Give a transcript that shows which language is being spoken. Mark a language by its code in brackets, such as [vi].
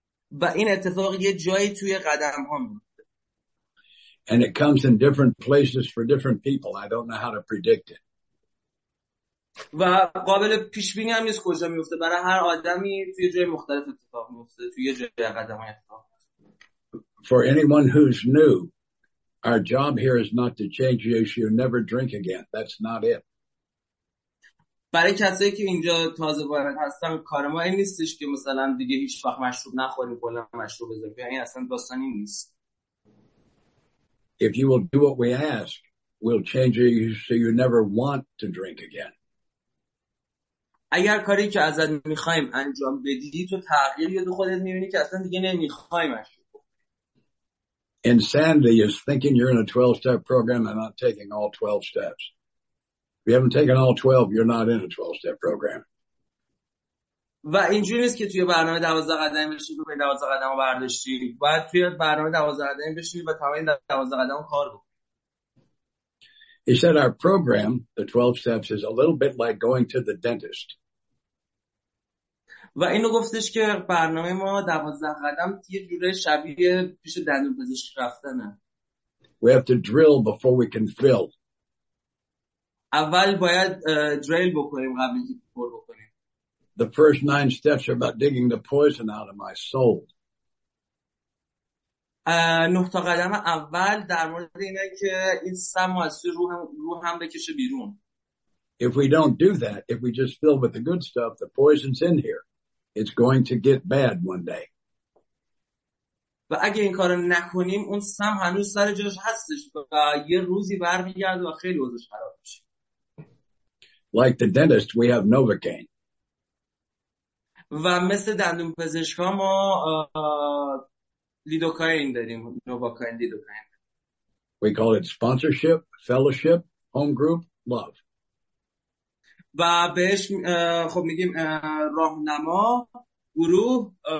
[fa] و این اتفاق یه جایی توی قدم ها میفته. [en] And it comes in different places for different people. I don't know how to predict it. [fa] و قابل پیش بینی هم نیست کجا میفته. برای هر آدمی توی جای مختلف اتفاق میفته. توی یه جای قدم های اتفاق. [en] For anyone who's new, our job here is not to change you so you never drink again. That's not it. [fa] برای کسایی که اینجا تازه وارد هستن کار ما این نیستش که مثلا دیگه هیچ وقت مشروب نخوریم کلا مشروب بذاریم، یعنی اصلا داستانی نیست. [en] If you will do what we ask, we'll change you so you never want to drink again. [fa] اگر کاری که ازت میخوایم انجام بدی تو تغییر یاد خودت میبینی که اصلا دیگه نمیخوای مشروب. [en] Insanity is thinking you're in a 12-step program and not taking all 12 steps. If you haven't taken all 12, you're not in a 12-step program. [fa] و اینجوری نیست که توی برنامه 12 قدم بشی و 12 قدم رو برداشتی. باید توی برنامه 12 قدم بشی و تمام این 12 قدم کار بکنی. [en] He said our program, the 12 steps, is a little bit like going to the dentist. [fa] و اینو گفتش که برنامه ما 12 قدم یه جوره شبیه پیش دندون پزشک رفتنه. [en] We have to drill before we can fill. [fa] اول باید دریل بکنیم قبل اینکه پر بکنیم. [en] The first 9 steps are about digging the poison out of my soul. [fa] نه تا قدم اول در مورد اینه که این سم و از روحم بکشه بیرون. [en] If we don't do that, if we just fill with the good stuff, the poison's in here. It's going to get bad one day. [fa] و اگه این کارو نکنیم اون سم هنوز سر جاش هستش و یه روزی برمیگرده و خیلی وضعش خراب میشه. [en] Like the dentist, we have Novocaine. [fa] و مثل دندون پزشک ما لیدوکاین داریم. نوواکاین، لیدوکاین. [en] We call it sponsorship, fellowship, home group, love. [fa] و بهش خب میگیم راهنما، گروه